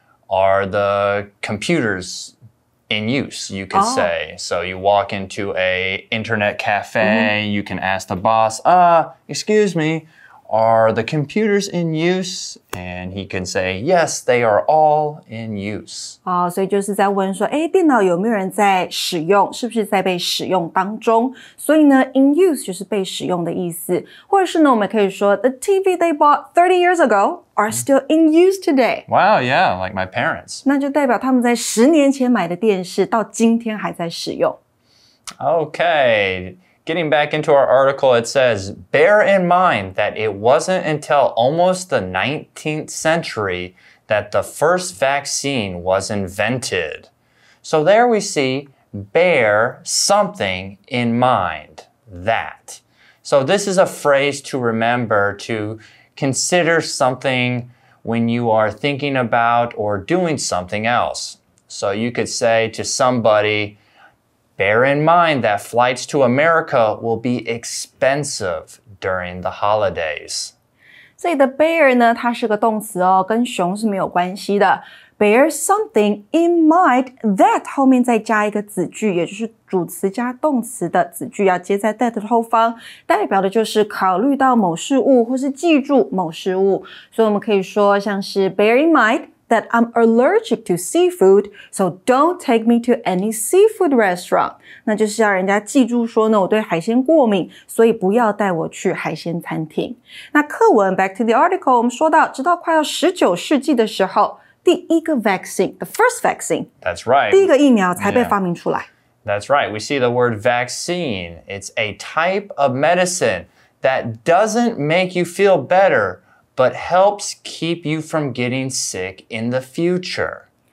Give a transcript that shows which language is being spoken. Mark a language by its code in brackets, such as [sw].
[en] Are the computers in use, you could、oh. say. So you walk into an internet cafe,、mm-hmm. you can ask the boss, excuse me,Are the computers in use? And he can say, yes, they are all in use. [zh] 哦、oh, 所以就是在问说诶电脑有没有人在使用是不是在被使用当中所以呢 in use 就是被使用的意思。或者是呢我们可以说 [en] the TV they bought 30 years ago are still in use today. Wow, yeah, like my parents. [zh] 那就代表他们在十年前买的电视到今天还在使用。 [en] Okay. Getting back into our article, it says, bear in mind that it wasn't until almost the 19th century that the first vaccine was invented. So there we see, bear something in mind, that. So this is a phrase to remember to consider something when you are thinking about or doing something else. So you could say to somebody,Bear in mind that flights to America will be expensive during the holidays. [zh] 所以 the bear 呢它是个动词哦跟熊是没有关系的。 [en] Bear something in mind that [zh] 后面再加一个子句也就是主词加动词的子句要接在 that 的后方代表的就是考虑到某事物或是记住某事物。所以我们可以说像是 [en] bear in mind,that I'm allergic to seafood, so don't take me to any seafood restaurant. [zh] 那就是要人家记住说呢我对海鲜过敏所以不要带我去海鲜餐厅。那课文 [en] back to the article, [zh] 我们说到直到快要19世纪的时候第一个 vaccine, [en] the first vaccine, That's right. [zh] 第一个疫苗才被发明出来。 [en] Yeah. That's right, we see the word vaccine. It's a type of medicine that doesn't make you feel better,but helps keep you from getting sick in the future.